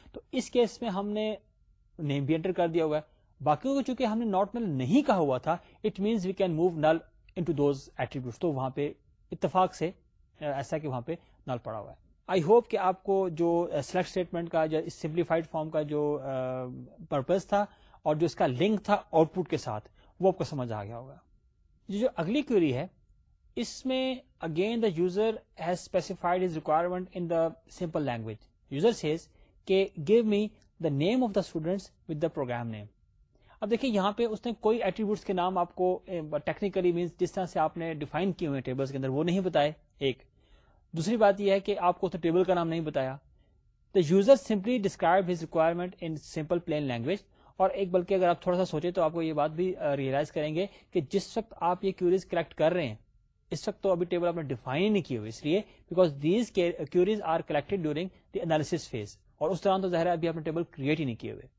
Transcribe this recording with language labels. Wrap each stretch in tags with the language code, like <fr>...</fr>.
<ur>تو اس کیس میں ہم نے نیم بھی انٹر کر دیا ہوا ہے, باقی کو چونکہ ہم نے ناٹ نل نہیں کہا ہوا تھا,</ur> <en>it means we can move null into those attributes,</en> <ur>تو وہاں پہ اتفاق سے ایسا کہ وہاں پہ نل پڑا ہوا ہے. آئی ہوپ کہ آپ کو جو سلیکٹ اسٹیٹمنٹ کا یا سمپلیفائڈ فارم کا جو پرپز تھا اور جو اس کا لنک تھا آؤٹ پٹ کے ساتھ, وہ آپ کو سمجھ آ گیا ہوگا. جو اگلی کیوری ہے, اس میں</ur> <en>Again the user has specified his requirement in the simple language. User says کہ give me the name of the students with the program name.</en> <ur>اب دیکھیں یہاں پہ اس نے کوئی ایٹریبیوٹس کے نام آپ کو ٹیکنیکلی مینس جس طرح سے آپ نے ڈیفائن کیے ہوئے ٹیبلس کے اندر وہ نہیں بتائے. ایک دوسری بات یہ ہے کہ آپ کو اس نے ٹیبل کا نام نہیں بتایا.</ur> <en>The user simply describe his requirement in simple plain language.</en> <ur>اور ایک بلکہ اگر آپ تھوڑا سا سوچیں تو آپ کو یہ بات بھی ریئلائز کریں گے کہ جس وقت آپ یہ کیوریز کلیکٹ کر رہے ہیں, اس وقت تو ابھی ٹیبل آپ نے ڈیفائن نہیں کی ہوئی, اس لیے</ur> <en>because these queries are collected during the analysis phase,</en> <ur>اور اس دوران تو ظاہر ہے ابھی آپ نے ٹیبل کریٹ ہی نہیں کیے ہوئے.</ur>